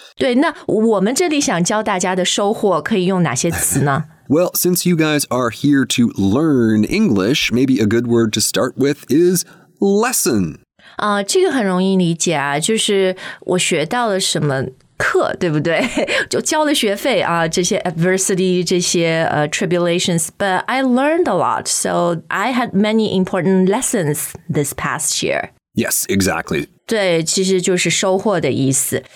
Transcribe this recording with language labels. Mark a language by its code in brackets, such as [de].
[zh] 对，那我们这里想教大家的收获可以用哪些词呢？ [en] Well, since you guys are here to learn English, maybe a good word to start with is lesson. [zh] 这个很容易理解啊，就是我学到了什么课，对不对？就交了学费啊，这些 [en] adversity, 这些tribulations, but I learned a lot, so I had many important lessons this past year. Yes, exactly. [zh] 对，其实就是收获的意思。